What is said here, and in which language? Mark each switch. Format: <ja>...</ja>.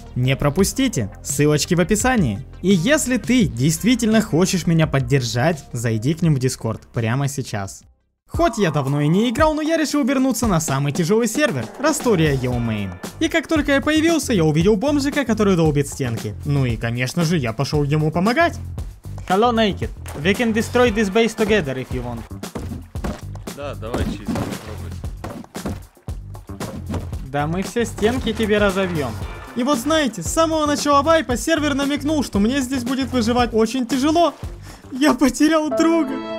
<ru>Не пропустите, ссылочки в описании. И если ты действительно хочешь меня поддержать, зайди к ним в Дискорд прямо сейчас. Хоть я давно и не играл, но я решил вернуться на самый тяжелый сервер, Растория Йоумейн. И как только я появился, я увидел бомжика, который долбит стенки. Ну и конечно же, я пошел ему помогать.</ru> <en>Hello, Naked. We can destroy this base together if you want.</en> <ru>Да, давай чисто попробуй. Да мы все стенки тебе разобьем. И вот знаете, с самого начала вайпа сервер намекнул, что мне здесь будет выживать очень тяжело. Я потерял друга.</ru>